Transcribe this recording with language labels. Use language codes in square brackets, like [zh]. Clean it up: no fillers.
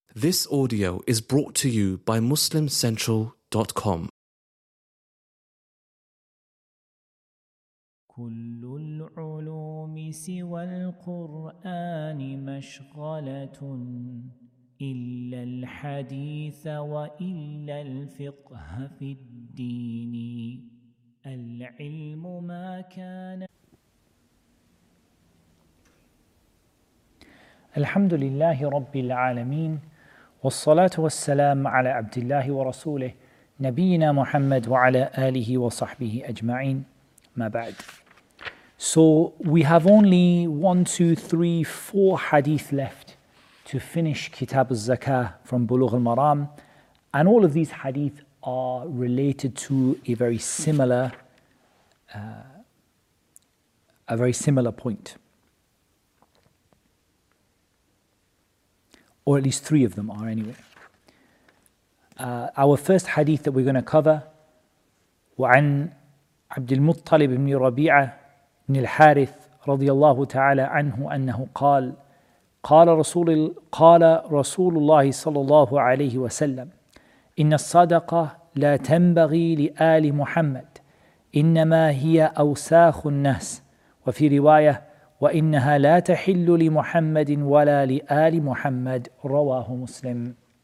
[en] This audio is brought to you by MuslimCentral.com. [ar] كل العلوم سوى القرآن مشغلة إلا الحديث وإلا الفقه في الدين العلم ما كان. الحمد لله رب العالمين والصلاة والسلام على عبد الله ورسوله نبينا محمد وعلى آله وصحبه أجمعين ما بعد. [en] So we have only 1, 2, 3, 4 hadith left to finish Kitab al-Zakah from Bulugh al-Maram, and all of these hadith are related to a very similar point, or at least three of them are anyway. Our first hadith that we're going to cover, [ar] وعن عبد المطلب بن ربيعة بن الحارث رضي الله تعالى عنه أنه قال قال رسول الله صلى الله عليه وسلم إن الصدقة لا تنبغي لآل محمد إنما هي أوساخ الناس وفي رواية وإنها لا تحل لمحمد ولا لآل محمد رواه مسلم.